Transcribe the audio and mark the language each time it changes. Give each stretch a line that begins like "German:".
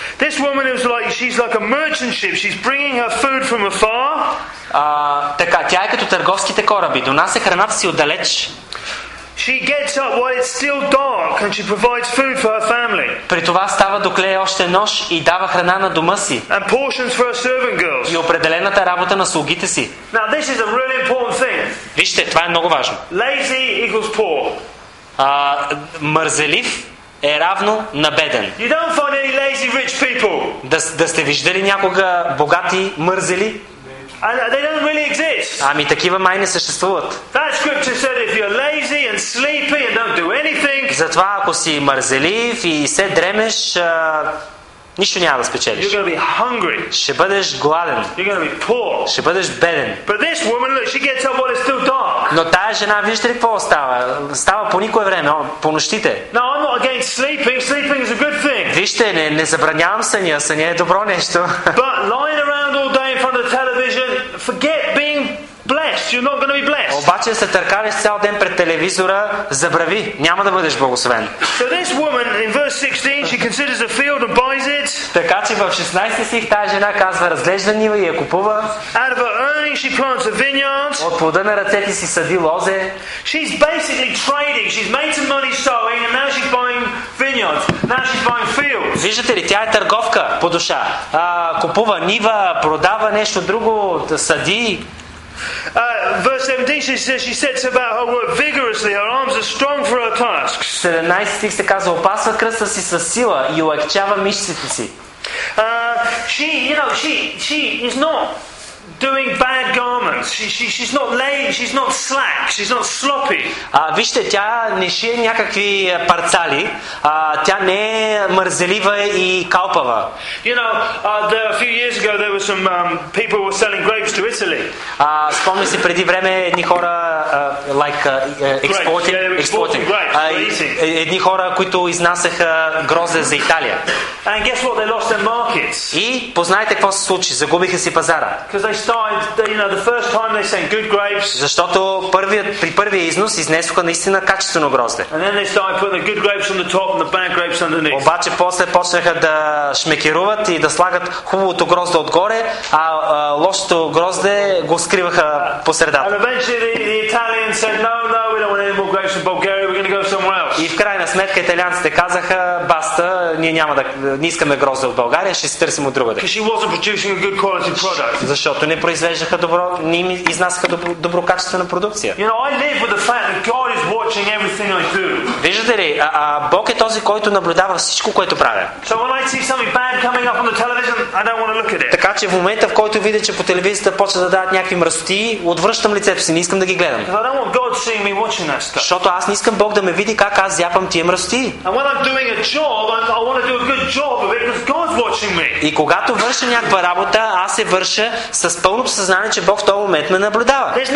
English: This woman is like she's like a merchant ship. She's bringing her food from afar.
Bulgarian: Така, тя е като търговските кораби, донася храната си отдалеч.
English: She gets up while it's still dark and she provides food for her family.
Bulgarian: При това става докле още нощ и дава храна на дома си.
English: And portions for her servant girls.
Bulgarian: И определената работа на слугите си.
English: Now this is a really important thing.
Bulgarian: Вижте, това е много важно.
English: Lazy equals poor.
Bulgarian: Мързелив е равно на беден.
English: You don't find any lazy rich people.
Bulgarian: Да сте виждали някога богати мързели?
English: They don't really exist.
Bulgarian: Ами такива май не съществуват.
English: That scripture said if you're lazy and sleepy and don't do anything.
Bulgarian: Затова ако си мързелив и се дремеш, нищо няма да спечелиш.
English: You're gonna be hungry.
Bulgarian: Ще бъдеш гладен.
English: You're gonna be poor.
Bulgarian: Ще бъдеш беден.
English: But this woman, look, she gets up while it's still dark.
Bulgarian: Но тая жена, вижте ли какво става? Става по никое време, по нощите.
English: No, I'm not against sleeping. Sleeping is a good thing.
Bulgarian: Вижте, не забранявам съня. Съня е добро нещо.
English: But lying around all day in front of the television, forget being blessed. You're not gonna be blessed.
Bulgarian: Обаче се търкалиш цял ден пред телевизора, забрави, няма да бъдеш благословен.
English: So this woman in verse 16, she considers a field and buys it.
Bulgarian: Така че в 16 стих тая жена казва, разглежда нива и я купува.
English: Out of her earnings she plants a vineyard.
Bulgarian: От плода на ръцете си съди лозе.
English: She's basically trading. She's made some money sowing and now she's buying vineyards. Now she's buying fields.
Bulgarian: Виждате ли, тя е търговка по душа. Купува нива, продава нещо друго, съди.
English: Verse 17 she says she sets about her work vigorously, her arms are strong for her tasks.
Bulgarian: 17 стих се казва, опасва кръста си със сила и улекчава мишците си.
English: She is not doing bad garments. She's not lazy. She's not slack. She's not sloppy.
Bulgarian: Вижте, тя не шие някакви парцали. Тя не е мързелива и калпава.
English: You know, there, a few years ago there were some people were selling grapes to Italy.
Bulgarian: Спомни си преди време едни хора
English: exporting grapes.
Bulgarian: Едни хора, които изнасяха грозде за Италия.
English: And guess what? They lost their markets.
Bulgarian: И познайте какво се случи? Загубиха си пазара.
English: The first time they sent good grapes.
Bulgarian: Защото при първия износ изнесоха наистина качествено грозде.
English: And then they started putting the good grapes on the top and the bad grapes underneath.
Bulgarian: Обаче после почнаха да шмекеруват и да слагат хубавото грозде отгоре, а лошото грозде го скриваха по средата.
English: And eventually the Italians said, no, we don't want any more grapes from Bulgaria. We're going to go somewhere else.
Bulgarian: И в крайна сметка италианците казаха: баста, ние няма да не искаме грозде от България, ще се търсим от другаде.
English: Because she wasn't producing a good quality product.
Bulgarian: Защото не произвеждаха добро, не им изнасяха доброкачествена продукция.
English: You know, I live with the fact that God is watching everything I do.
Bulgarian: Виждате ли, Бог е този, който наблюдава всичко, което правя.
English: So when I see something bad coming up on the television, I don't want to look at it.
Bulgarian: Така че в момента, в който видя, че по телевизията почва да дават някакви мръсоти, отвръщам лицето си, не искам да ги гледам.
English: Because I don't want God seeing me watching that stuff.
Bulgarian: Защото аз не искам Бог да ме види как аз зяпам тия мръсоти.
English: And when I'm doing a job, I want to do a good job of it because God's watching me.
Bulgarian: И когато върша някаква работа, аз се върша с пълното съзнание, че Бог в този момент ме наблюдава.